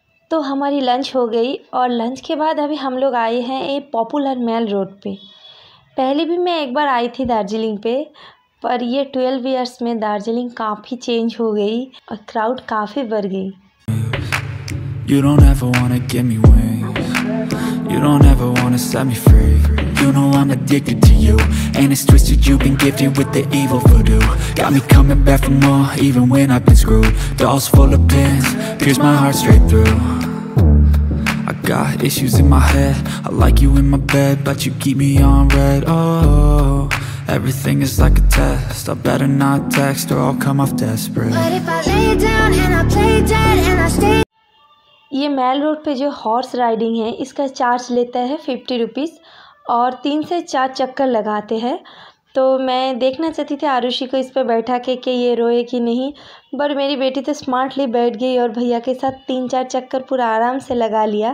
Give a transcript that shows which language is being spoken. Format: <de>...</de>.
<hi>तो हमारी लंच हो गई और लंच के बाद अभी हम लोग आए हैं एक पॉपुलर मेल रोड पे। पहले भी मैं एक बार आई थी दार्जिलिंग पे, पर ये 12 इयर्स में दार्जिलिंग काफ़ी चेंज हो गई और क्राउड काफ़ी बढ़ गई।</hi> <en>You don't ever wanna give me wings. You don't ever wanna set me free. You know I'm addicted to you, and it's twisted, you've been gifted with the evil voodoo. Got me coming back for more, even when I've been screwed. Dolls full of pins, pierce my heart straight through. I got issues in my head, I like you in my bed, but you keep me on red. Oh, everything is like a test, I better not text or I'll come off desperate. But if I lay down and I play dead and I stay.</en> <hi>ये mail road पे जो horse riding है इसका charge लेता है 50 rupees और 3 से 4 चक्कर लगाते हैं। तो मैं देखना चाहती थी आरुषि को इस पे बैठा के कि ये रोए कि नहीं, पर मेरी बेटी तो स्मार्टली बैठ गई और भैया के साथ 3-4 चक्कर पूरा आराम से लगा लिया।</hi>